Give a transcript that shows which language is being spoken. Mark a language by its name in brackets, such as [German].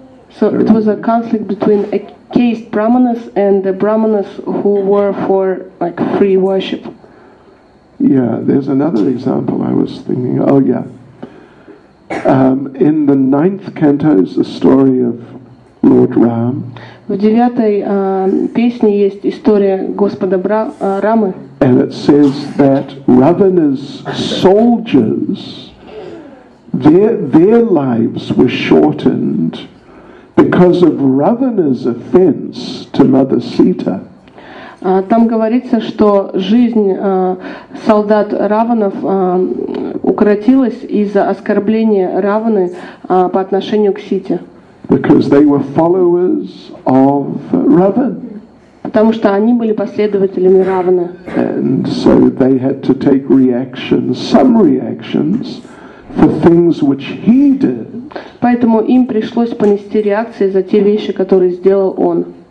[English] So it was a conflict between a caste brahmanas and the brahmanas who were for like free worship. Yeah, there's another example I was thinking. Oh yeah. In the ninth canto is the story of Lord Ram. [Russian] В девятой песне есть история Господа Рамы. [English] And it says that Ravana's soldiers, their lives were shortened. Because of Ravana's offense to Mother Sita. [Russian] Там говорится, что жизнь солдат Раванов укоротилась из-за оскорбления Раваны по отношению к Сите. [English] Because they were followers of Ravana. [Russian] Потому что они были последователями Раваны. [English] And so they had to take reactions, some reactions, for things which he did. [Russian] Поэтому им пришлось понести реакции за те вещи, которые сделал он.